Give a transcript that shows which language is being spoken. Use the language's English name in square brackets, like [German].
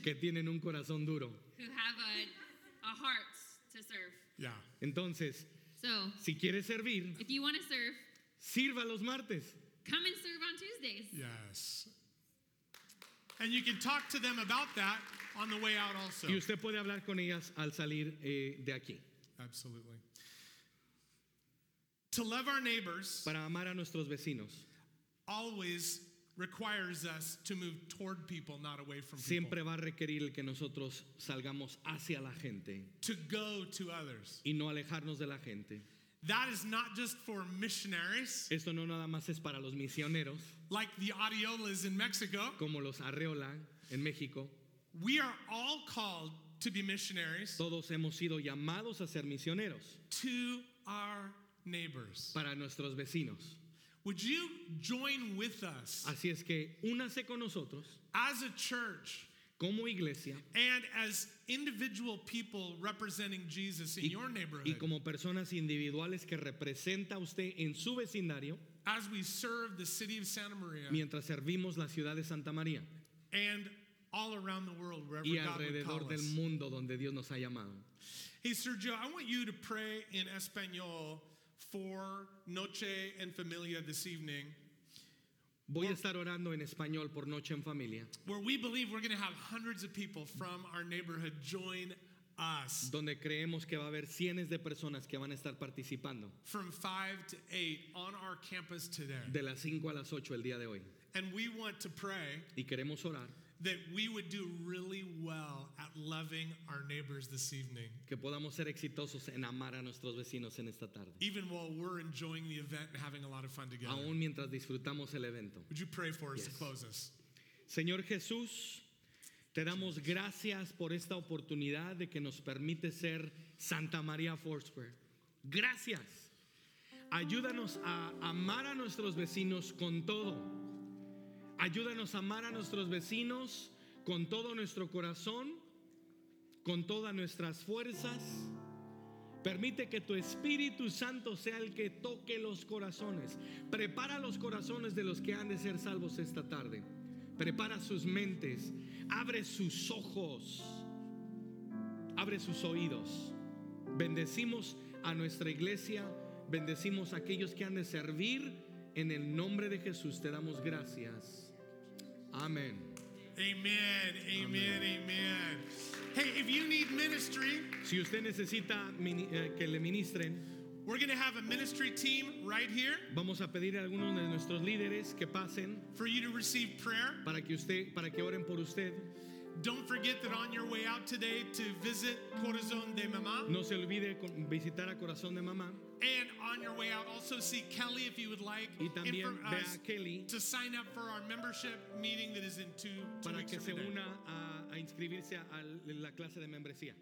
[Spanish] Que tienen un corazón duro. [English] Who have a heart to serve. Yeah. [Spanish] Entonces, [English] so, [Spanish] si quieres servir, [English] if you want to serve, [Spanish] sirva los martes. [English] Come and serve on Tuesdays. Yes. And you can talk to them about that on the way out also. [Spanish] Y usted puede hablar con ellas al salir de aquí. [English] Absolutely. To love our neighbors, [Spanish] para amar a nuestros vecinos, [English] always requires us to move toward people, not away from people. [Spanish] Siempre va a requerir que nosotros salgamos hacia la gente. [English] To go to others. [Spanish] Y no alejarnos de la gente. [English] That is not just for missionaries. [Spanish] Esto no nada más es para los misioneros. [English] Like the Areolas in Mexico. [Spanish] Como los Arreola en México. [English] We are all called to be missionaries. [Spanish] Todos hemos sido llamados a ser misioneros. [English] To our neighbors. [Spanish] Para nuestros vecinos. [English] Would you join with us? [Spanish] Así es que únase con nosotros. [English] As a church. [Spanish] Como iglesia. [English] And as individual people representing Jesus in your neighborhood. [Spanish] Y como personas individuales que representa usted en su vecindario. [English] As we serve the city of Santa Maria. [Spanish] Mientras servimos la ciudad de Santa María. [English] And all around the world wherever God would call us. [Spanish] Y alrededor del mundo donde Dios nos ha llamado. [English] Hey Sergio, I want you to pray in Espanol for Noche en Familia this evening. [Spanish] Voy a estar orando en español por Noche en Familia. [English] Where we believe we're going to have hundreds of people from our neighborhood join us. [Spanish] Donde creemos que va a haber cientos de personas que van a estar participando. [English] From 5 to 8 on our campus today. [Spanish] De las 5 a las 8 el día de hoy. [English] And we want to pray. [Spanish] Y queremos orar. [English] That we would do really well at loving our neighbors this evening. [Spanish] Que podamos ser exitosos en amar a nuestros vecinos en esta tarde. [English] Even while we're enjoying the event and having a lot of fun together. [Spanish] Aún mientras disfrutamos el evento. [English] Would you pray for us to close us? [Spanish] Señor Jesús, te damos gracias por esta oportunidad de que nos permite ser Santa María Foursquare. Gracias. Ayúdanos a amar a nuestros vecinos con todo. Ayúdanos a amar a nuestros vecinos con todo nuestro corazón, con todas nuestras fuerzas. Permite que tu Espíritu Santo sea el que toque los corazones. Prepara los corazones de los que han de ser salvos esta tarde. Prepara sus mentes. Abre sus ojos. Abre sus oídos. Bendecimos a nuestra iglesia. Bendecimos a aquellos que han de servir. En el nombre de Jesús te damos gracias. Amen. [English] Amen. Amen. Amen. Amen. Hey, if you need ministry, [Spanish] si usted necesita que le ministren, [English] we're going to have a ministry team right here. [Spanish] Vamos a pedir a algunos de nuestros líderes que pasen [English] for you to receive prayer. [Spanish] Para que oren por usted. [English] Don't forget that on your way out today to visit Corazón de Mamá. [Spanish] No se olvide visitar a Corazón de Mamá. [English] And on your way out, also see Kelly if you would like. [Spanish] Y también ve a Kelly [English] to sign up for our membership meeting that is in two weeks. [Spanish] Para que se una a inscribirse a la clase de membresía.